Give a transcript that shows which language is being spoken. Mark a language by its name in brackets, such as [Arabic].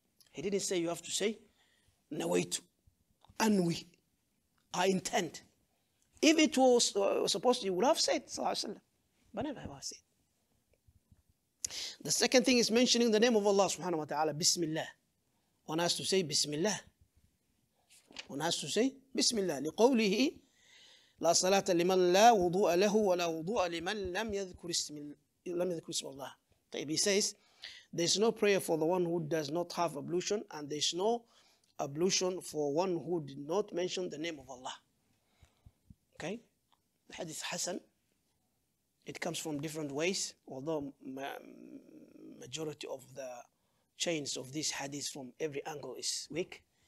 [English] He didn't say you have to say Nawaitu, Anwi, I intend. If it was supposed to, you would have said, but never have I said. The second thing is mentioning the name of Allah subhanahu wa ta'ala, Bismillah. One has to say Bismillah. One has to say Bismillah. [Arabic] لقوله لا صلاة لمن لا وضوء له ولا وضوء لمن لم يذكر اسم الله. [English] طيب, he says, there is no prayer for the one who does not have ablution, and there is no ablution for one who did not mention the name of Allah. Okay? The hadith Hassan. It comes from different ways, although majority of the chains of this hadith from every angle is weak.